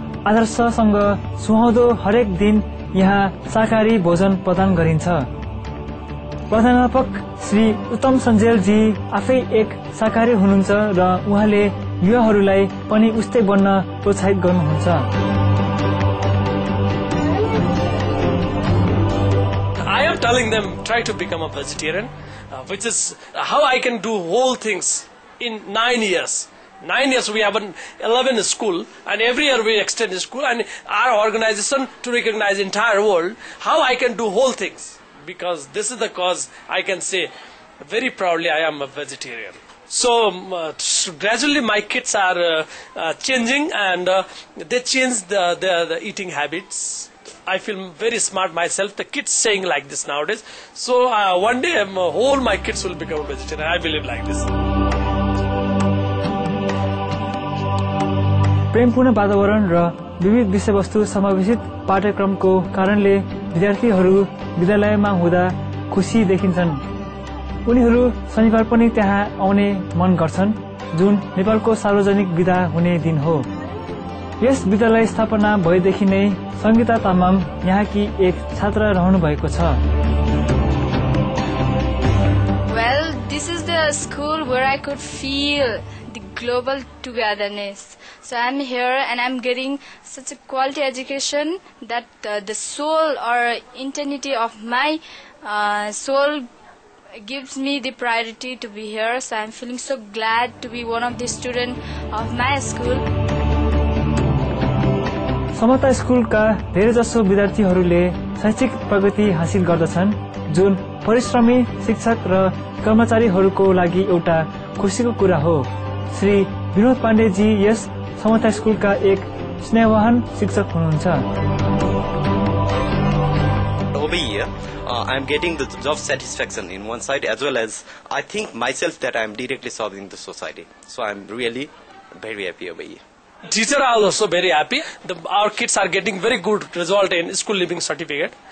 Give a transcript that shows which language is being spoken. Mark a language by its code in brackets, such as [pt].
[ne] आदर्शसँग सुहाउँदो हरेक दिन यहाँ शाकाहारी भोजन प्रदान गरिन्छ। प्रधानपक श्री उत्तम सञ्जेलजी आफै एक शाकाहारी हुनुहुन्छ र उहाँले युवाहरूलाई पनि उस्तै बन्न प्रोत्साहित गर्नुहुन्छ। [en] Telling them, try to become a vegetarian, which is how I can do whole things in 9 years. 9 years we have an 11 school, and every year we extend the school, and our organization to recognize the entire world, how I can do whole things. Because this is the cause I can say very proudly I am a vegetarian. So gradually my kids are changing, and they change the eating habits. I feel very smart myself. The kids saying like this nowadays. So one day all my kids will become a vegetarian. I believe like this. [ne] प्रेमपूर्ण वातावरण र विविध विषयवस्तु समावेशित पाठ्यक्रमको कारणले विद्यार्थीहरू विद्यालयमा हुँदा खुसी देखिन्छन्। उनीहरू शनिबार पनि त्यहाँ आउने मन गर्छन्, जुन नेपालको सार्वजनिक बिदा हुने दिन हो। यस विद्यालय स्थापना भएदेखि नै संगीता तामाङ यहाँकी एक छात्र रहनु भएको छ। [en] Well, this is the school where I could feel the global togetherness. So I'm here and I'm getting such a quality education that the soul or eternity of my soul gives me the priority to be here. So I'm feeling so glad to be one of the student of my school. [ne] समता स्कुलका धेरै जसो विद्यार्थीहरूले शैक्षिक प्रगति हासिल गर्दछन्, जुन परिश्रमी शिक्षक र कर्मचारीहरूको लागि एउटा खुसीको कुरा हो। श्री विनोद पाण्डेजी यस समता स्कुलका एक स्नेहवान शिक्षक हुनुहुन्छ। [en] I am getting the job satisfaction in one side, as well as I think myself that I am directly serving the society. So I am really very happy over here. Teacher are also very happy. Our kids are getting very good result in school leaving certificate.